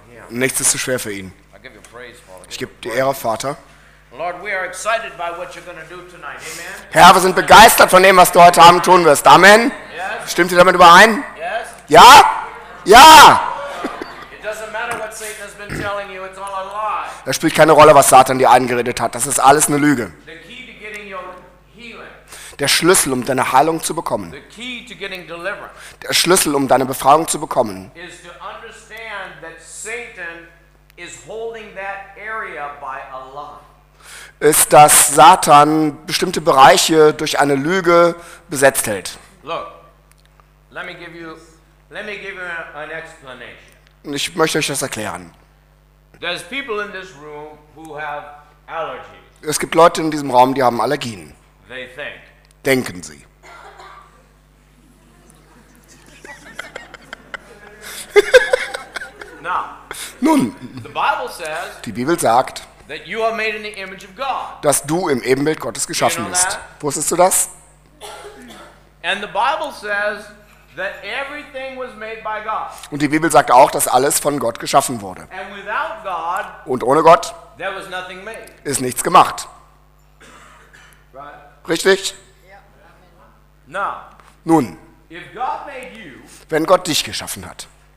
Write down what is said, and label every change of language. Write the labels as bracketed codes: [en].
[de] Nichts ist zu schwer für ihn. Ich gebe dir Ehre, Vater. [en] Lord, we are excited by what you're going to do tonight. Amen. [de] Herr, wir sind begeistert von dem, was du heute Abend tun wirst. [en] Amen. Yes. [de] Stimmt ihr damit überein? [en] Yes. [de] Ja? Ja. [en] It doesn't matter what Satan has been telling you, it's all a lie. [de] Das spielt keine Rolle, was Satan dir eingeredet hat. Das ist alles eine Lüge. [en] The key to getting your healing. [de] Der Schlüssel, um deine Heilung zu bekommen. [en] The key to getting deliverance. [de] Der Schlüssel, um deine Befreiung zu bekommen. [en] Is to understand that Satan is holding that area by a lie. [de] Ist, dass Satan bestimmte Bereiche durch eine Lüge besetzt hält. [en] Look, let me give you an explanation. [de] Ich möchte euch das erklären. [en] There's people in this room who have allergies. [de] Es gibt Leute in diesem Raum, die haben Allergien. [en] They think. [de] Denken sie. [en] Now, [de] nun, [en] the Bible says, [de] die Bibel sagt, [en] that you are made in the image of God. [de] Dass du im Ebenbild Gottes geschaffen bist. Wusstest du das? [en] And the Bible says that everything was made by God. [de] Und die Bibel sagt auch, dass alles von Gott geschaffen wurde. [en] And without God, [de] und ohne Gott [en] there was nothing made. [de] Ist nichts gemacht. [en] Right? [de] Richtig? [en] Yeah. Now, [de] nun, [en] if God made you, [de] wenn Gott dich geschaffen hat,